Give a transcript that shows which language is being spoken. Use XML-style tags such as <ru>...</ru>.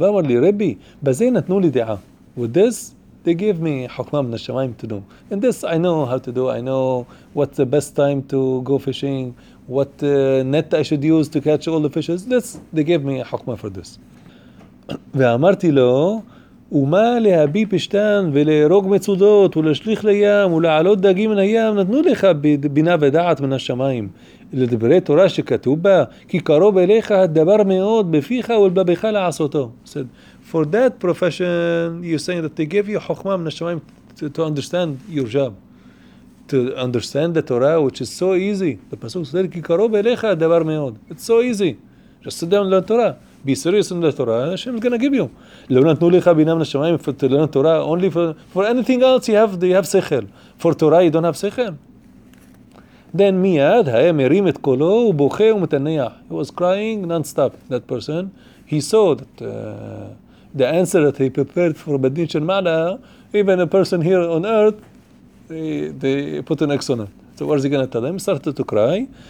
<he>ואמר לי, רבי, בזה נתנו לי דעה.</he> <en>With this, they gave me</en> <he>חוכמה מן השמיים</he> <en>to do. And this, I know how to do. I know what's the best time to go fishing, what net I should use to catch all the fishes. This, they gave me חוכמה for this.</en> <he>ואמרתי לו, ומה להביא פשתן ולהרוג מצודות ולהשליך לים ולהעלות דגים מן הים נתנו לך בינה ודעת מן השמיים לדברי תורה שכתוב בה כי קרוב אליך הדבר מאוד בפיך ולבבך לעשותו.</he> <en>Said, for that profession you're saying that they gave you</en> <he>חוכמה מן השמיים</he> <en>to understand your job, to understand the Torah, which is so easy. The pasuk said,</en> <he>כי קרוב אליך הדבר מאוד.</he> <en>It's so easy. Just sit down and learn Torah. Be serious in the Torah, Hashem is going to give you.</en> <he>לא נתנו לך בינה מן השמיים</he> <en>to learn Torah, only for anything else you have שכל. For Torah you don't have שכל. Then</en> <he>מיד היה מרים את קולו ובוכה ומתניח.</he> <en>He was crying non-stop, that person. He saw that the answer that he prepared for Bedin Shel Ma'ala, even a person here on earth, they put an X on it. So what is he going to tell him? He started to cry.</en>